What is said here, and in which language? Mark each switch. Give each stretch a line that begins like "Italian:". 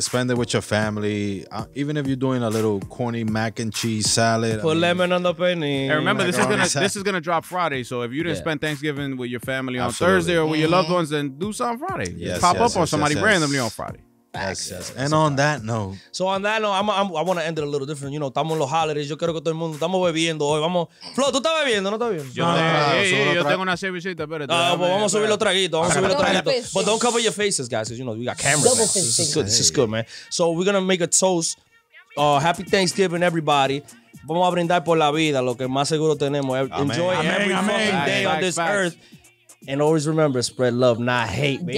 English: Spend it with your family. Even if you're doing a little corny mac and cheese salad. Lemon on the penny. And remember, this is gonna drop Friday. So if you didn't spend Thanksgiving with your family on Thursday or with your loved ones, then do something Friday. Pop up on somebody randomly on Friday. On that note, I want to end it a little different. You know,
Spanish: estamos los holidays. Yo quiero que todo el mundo estamos bebiendo hoy. Vamos, Flo, tú estás bebiendo, no estás bien. Yo tengo una cervecita, pero vamos a subir los traguitos. Vamos a subir los traguitos.
English: But don't cover your faces, guys, because you know we got cameras. This is good, man. So we're gonna make a toast. Happy Thanksgiving, everybody.
Spanish: Vamos a brindar por la vida, lo que más seguro tenemos.
English: Enjoy every fucking day on this earth. And always remember, spread love, not hate, baby.